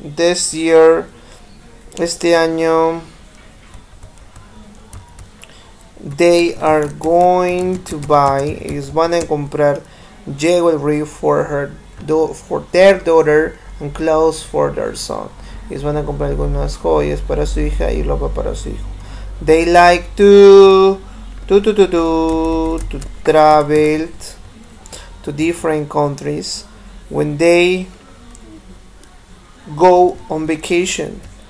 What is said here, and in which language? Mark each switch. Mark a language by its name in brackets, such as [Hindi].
[English] This year, [Spanish] este año, [English] they are going to buy. [Spanish] Ellos van a comprar [English] jewelry for their daughter and clothes for their son. [Spanish] Ellos van a comprar algunas joyas para su hija y ropa para su hijo. [English] They like to travel to different countries when they go on vacation.